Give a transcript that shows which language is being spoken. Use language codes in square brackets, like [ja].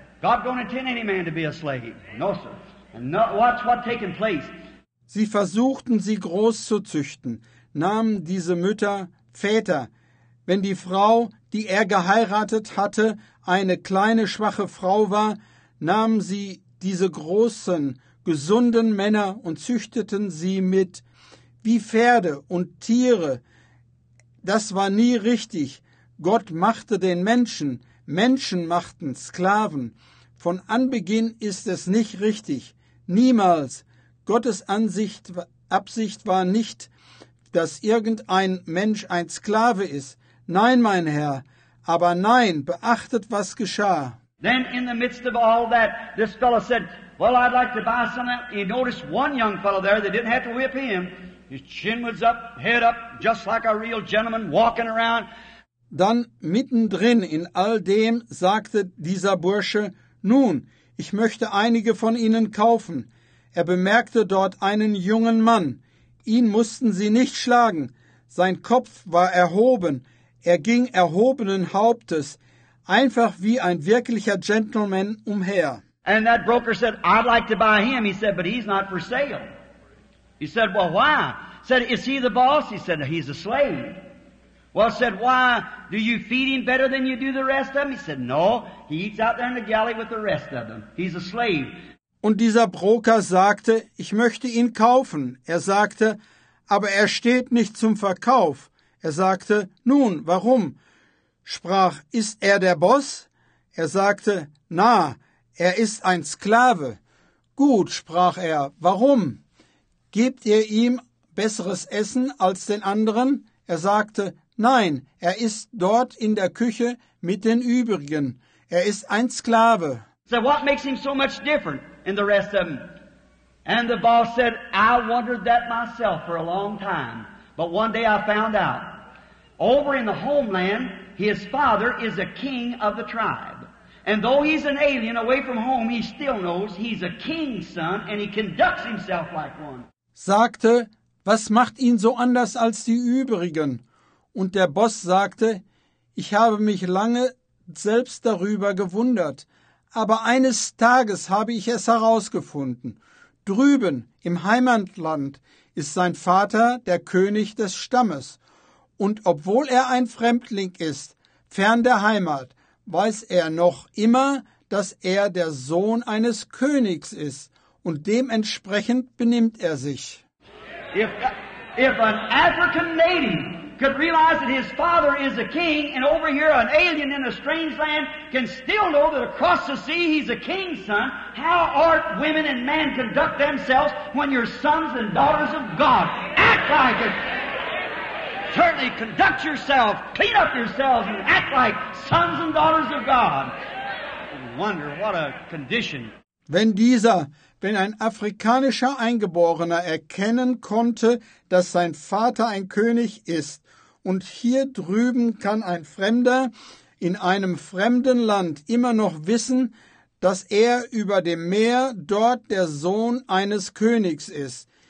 [en] God don't intend any man to be a slave. No, sir. And no, watch what taken place. [de] Sie versuchten, sie groß zu züchten, nahmen diese Mütter Väter. Wenn die Frau, die er geheiratet hatte, eine kleine, schwache Frau war, nahmen sie diese großen, gesunden Männer und züchteten sie mit wie Pferde und Tiere. Das war nie richtig. Gott machte den Menschen, Menschen machten Sklaven. Von Anbeginn ist es nicht richtig. Niemals. Gottes Ansicht, Absicht war nicht, dass irgendein Mensch ein Sklave ist. Nein, mein Herr, aber nein, beachtet, was geschah. [en] Then in the midst of all that, this fellow said, "Well, I'd like to buy some." He noticed one young fellow there that didn't have to whip him. His chin was up, head up, just like a real gentleman walking around. [de] Dann mittendrin in all dem sagte dieser Bursche, "Nun, ich möchte einige von Ihnen kaufen." Er bemerkte dort einen jungen Mann. Ihn mussten sie nicht schlagen. Sein Kopf war erhoben. Er ging erhobenen Hauptes. Einfach wie ein wirklicher Gentleman umher. [en] And that broker said, "I'd like to buy him." He said, "But he's not for sale." He said, "Well, why?" He said, "Is he the boss?" He said, "He's a slave." Well, said, "Why? Do you feed him better than you do the rest of them?" He said, "No, he eats out there in the galley with the rest of them. He's a slave." [de] Und dieser Broker sagte, "Ich möchte ihn kaufen." Er sagte, "Aber er steht nicht zum Verkauf." Er sagte, "Nun, warum?" Sprach, "Ist er der Boss?" Er sagte, "Na, er ist ein Sklave." "Gut", sprach er, "warum? Gebt ihr ihm besseres Essen als den anderen?" Er sagte, "Nein, er ist dort in der Küche mit den übrigen. Er ist ein Sklave." [en] So what makes him so much different in the rest of them? And the boss said, "I wondered that myself for a long time, but one day I found out. Over in the homeland, his father is a king of the tribe. And though he's an alien away from home, he still knows he's a king's son and he conducts himself like one." [de] Sagte, "Was macht ihn so anders als die übrigen?" Und der Boss sagte, "Ich habe mich lange selbst darüber gewundert, aber eines Tages habe ich es herausgefunden. Drüben im Heimatland ist sein Vater der König des Stammes. Und obwohl er ein Fremdling ist, fern der Heimat, weiß er noch immer, dass er der Sohn eines Königs ist. Und dementsprechend benimmt er sich. [en] If an African native could realize that his father is a king, and over here an alien in a strange land can still know that across the sea he's a king's son, how ought women and men conduct themselves when you're sons and daughters of God? Act like it! Certainly conduct yourself, clean up yourselves, and act like sons and daughters of God. I wonder what a condition. [de] Wenn ein afrikanischer Eingeborener erkennen konnte, dass sein Vater ein König ist, und hier drüben kann ein Fremder in einem fremden Land immer noch wissen, dass er über dem Meer dort der Sohn eines Königs ist.